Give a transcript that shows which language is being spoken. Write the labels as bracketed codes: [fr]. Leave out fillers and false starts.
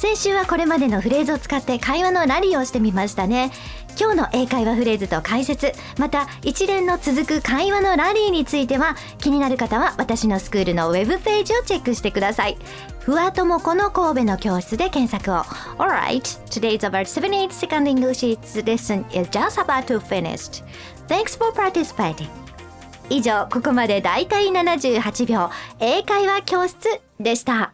[ja] 先週はこれまでのフレーズを使って会話のラリーをしてみましたね。今日の英会話フレーズと解説、また一連の続く会話のラリーについては、気になる方は私のスクールのウェブページをチェックしてください。ふわともこの神戸の教室で検索を。 [en] Alright, today's about 7-8 second English lesson is just about to finish. Thanks for participating. [ja] 以上、ここまで大体78秒英会話教室でした。